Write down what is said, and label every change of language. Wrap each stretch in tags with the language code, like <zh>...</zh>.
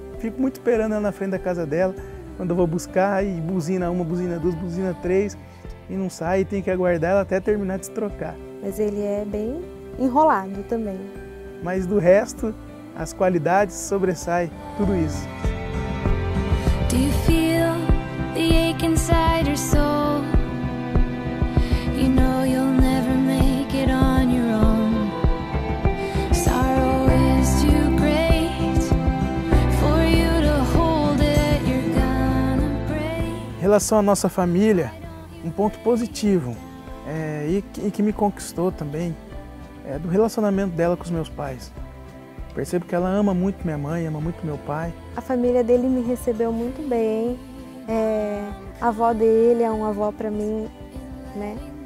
<pt>Fico muito esperando ela na frente da casa dela, quando eu vou buscar e buzina uma, buzina duas, buzina três e não sai, e tenho que aguardar ela até terminar de se trocar. Mas ele é bem enrolado também. Mas do resto, as qualidades sobressaem tudo isso.</pt> <en>Do you feel the ache inside your soul? You know you'll never make it on your own. Sorrow is too great for you to hold it. You're gonna break.</en> <pt>Em relação à nossa família, um ponto positivo e que me conquistou também é do relacionamento dela com os meus pais. Percebo que ela ama muito minha mãe, ama muito meu pai. A família dele me recebeu muito bem. A avó dele é uma avó para mim, né?</pt>